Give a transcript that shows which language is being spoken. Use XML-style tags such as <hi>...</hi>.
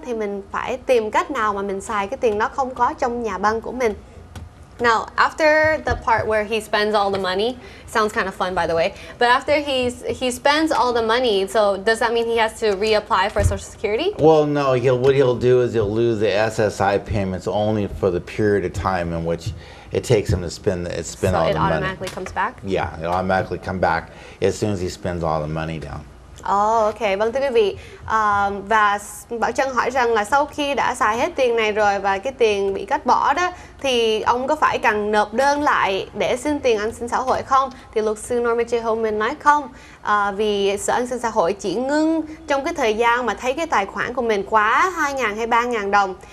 <vi>Thì mình phải tìm cách nào mà mình xài cái tiền nó không có trong nhà băng của mình.</vi> <en>Now, after the part where he spends all the money, sounds kind of fun by the way, but after he spends all the money, so does that mean he has to reapply for Social Security? Well, no, what he'll do is he'll lose the SSI payments only for the period of time in which it takes him to spend all the money. So it automatically comes back? Yeah, it automatically comes back as soon as he spends all the money down.</en> <vi>Ok, vâng thưa quý vị, và Bảo Trân hỏi rằng là sau khi đã xài hết tiền này rồi và cái tiền bị cắt bỏ đó, thì ông có phải cần nộp đơn lại để xin tiền an sinh xã hội không? Thì luật sư Norma J. Holman nói không, vì sở an sinh xã hội chỉ ngưng trong cái thời gian mà thấy cái tài khoản của mình quá 2.000 hay 3.000 đồng.</vi>